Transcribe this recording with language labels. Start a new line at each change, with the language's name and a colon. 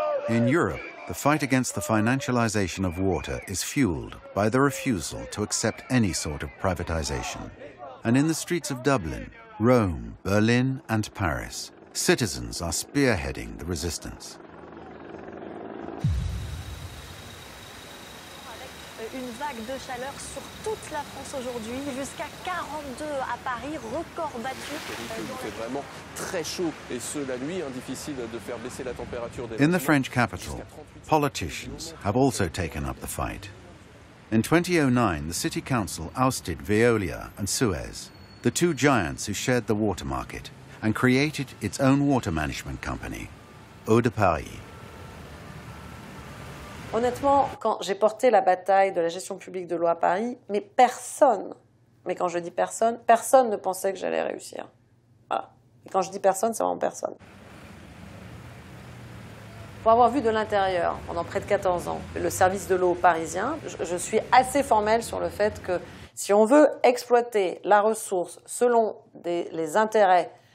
English: In Europe, the fight against the financialization of water is fueled by the refusal to accept any sort of privatization. And in the streets of Dublin, Rome, Berlin, and Paris, citizens are spearheading the resistance.
French: Une vague de chaleur sur toute la France aujourd'hui, jusqu'à 42 à Paris, record battu. Il fait vraiment très chaud, et ce, la nuit, difficile de faire baisser la température.
English: In the French capital, politicians have also taken up the fight. In 2009, the city council ousted Veolia and Suez, the two giants who shared the water market, and created its own water management company, Eau de Paris.
French: Honnêtement, quand j'ai porté la bataille de la gestion publique de l'eau à Paris, personne ne pensait que j'allais réussir. Voilà. Et quand je dis personne, c'est vraiment personne. Pour avoir vu de l'intérieur, pendant près de 14 ans, le service de l'eau parisien, je suis assez formelle sur le fait que si on veut exploiter la ressource selon les intérêts